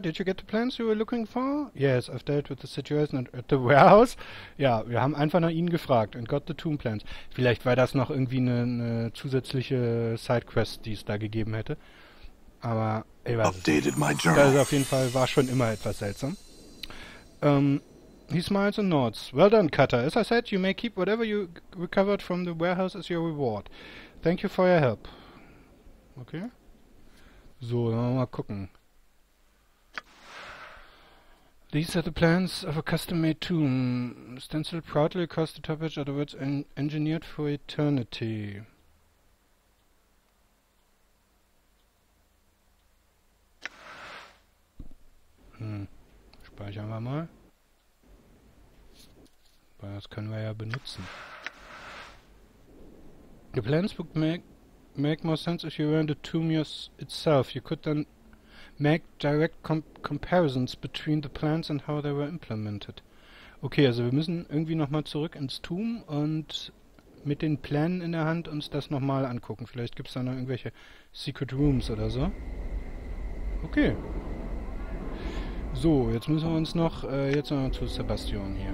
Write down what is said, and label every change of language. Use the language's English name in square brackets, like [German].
[English] Did you get the plans you were looking for? Yes, I've dealt with the situation at the warehouse. [German] Ja, wir haben einfach nach ihnen gefragt [English] and got the tomb plans. [German] Vielleicht war das noch irgendwie eine zusätzliche Sidequest, die es da gegeben hätte. Aber, ey, was [English] updated my journal. [German] Das ist auf jeden Fall, war schon immer etwas seltsam. [English] He smiles and nods. Well done, Cutter. As I said, you may keep whatever you recovered from the warehouse as your reward. Thank you for your help. Okay. [German] So, dann wollen wir mal gucken. [English] These are the plans of a custom-made tomb. Stenciled proudly across the top edge, otherwise engineered for eternity. [German] Speichern wir mal. Weil das können wir ja benutzen. [English] The plans would make more sense if you were in the tomb itself. You could then make direct comparisons between the plans and how they were implemented. [German] Okay, also wir müssen irgendwie nochmal zurück ins Tomb und mit den Plänen in der Hand uns das nochmal angucken. Vielleicht gibt es da noch irgendwelche Secret Rooms oder so. Okay. So, jetzt müssen wir uns noch, jetzt noch zu Sebastian hier.